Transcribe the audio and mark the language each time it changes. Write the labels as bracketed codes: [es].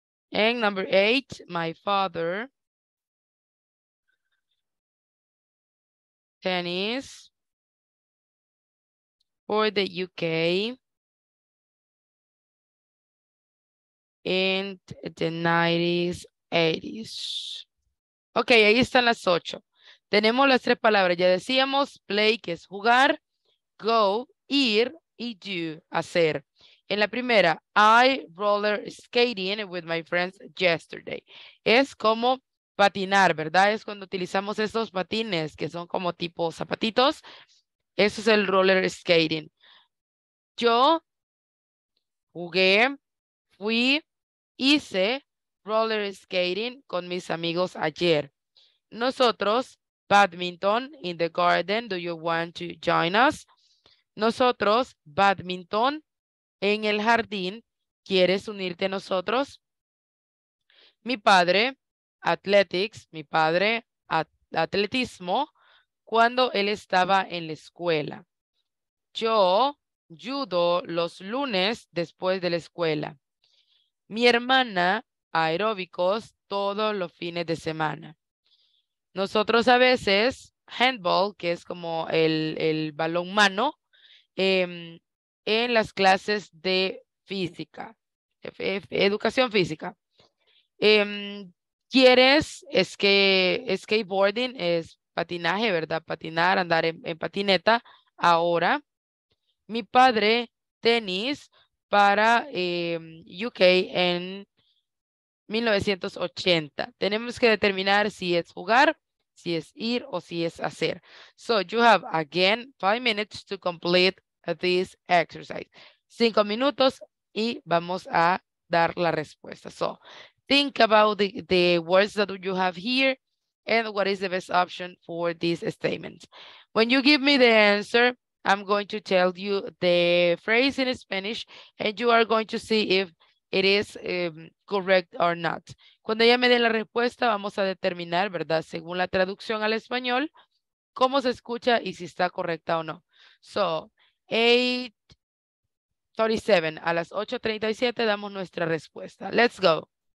[en] And number 8, my father tennis for the UK in the 90s, 80s. [es] Ok, ahí están las 8. Tenemos las tres palabras. Ya decíamos play, que es jugar, go, ir, y do, hacer. En la primera, [en] I roller skating with my friends yesterday. [es] Es como patinar, ¿verdad? Es cuando utilizamos esos patines que son como tipo zapatitos. Eso es el roller skating. Yo jugué, fui, hice roller skating con mis amigos ayer. Nosotros, [en] badminton in the garden, do you want to join us? [es] Nosotros, badminton en el jardín, ¿quieres unirte a nosotros? Mi padre, athletics, mi padre, atletismo, cuando él estaba en la escuela. Yo, judo los lunes después de la escuela. Mi hermana, aeróbicos todos los fines de semana. Nosotros a veces, handball, que es como el balón mano, en las clases de física, educación física. ¿Quieres skateboarding? Es patinaje, ¿verdad? Patinar, andar en patineta ahora. Mi padre tenis para UK en 1980. Tenemos que determinar si es jugar, si es ir o si es hacer. [en] So you have again 5 minutes to complete this exercise. [es] 5 minutos y vamos a dar la respuesta. [en] So think about the words that you have here and what is the best option for this statement. When you give me the answer, I'm going to tell you the phrase in Spanish and you are going to see if it is correct or not. [es] Cuando ella me dé la respuesta, vamos a determinar, ¿verdad? Según la traducción al español, cómo se escucha y si está correcta o no. So, 8:37, a las 8:37 damos nuestra respuesta. [en] Let's go.